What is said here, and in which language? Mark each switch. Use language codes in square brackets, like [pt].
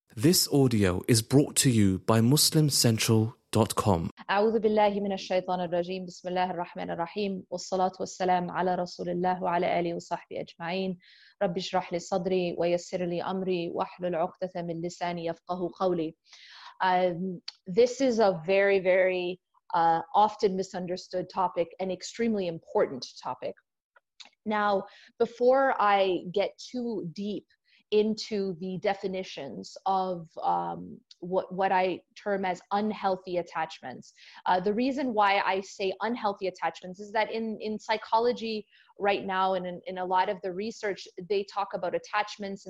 [en] This audio is brought to you by MuslimCentral.com. [ar] أعوذ بالله من الشيطان الرجيم. بسم الله الرحمن الرحيم. والصلاة والسلام على رسول الله وعلى آله وصحبه أجمعين. رب اشرح لي صدري ويسر لي أمري واحلل عقدة من لساني يفقه قولي. [en] This is a very, very often misunderstood topic, an extremely important topic. Now, before I get too deep into the definitions of what I term as unhealthy attachments, the reason why I say unhealthy attachments is that in psychology right now and in a lot of the research, they talk about attachments.